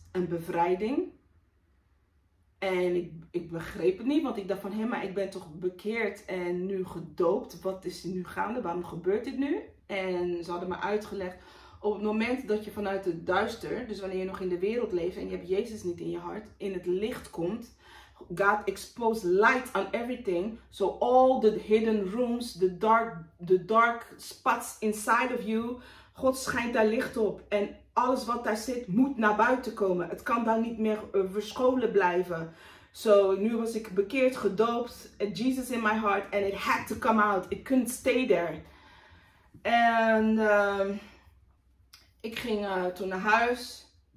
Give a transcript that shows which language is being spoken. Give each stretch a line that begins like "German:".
Dutch: Een bevrijding. En ik begreep het niet. Want ik dacht van, hé, maar ik ben toch bekeerd en nu gedoopt. Wat is er nu gaande? Waarom gebeurt dit nu? En ze hadden me uitgelegd. Op het moment dat je vanuit het duister, dus wanneer je nog in de wereld leeft en je hebt Jezus niet in je hart, in het licht komt.
English: God exposed light on everything. So all the hidden rooms, the dark spots inside of you.
Dutch: God schijnt daar licht op. En alles wat daar zit, moet naar buiten komen. Het kan daar niet meer verscholen blijven. So nu was ik bekeerd, gedoopt.
English: Jesus in my heart. And it had to come out. It couldn't stay there.
Dutch: En ik ging toen naar huis.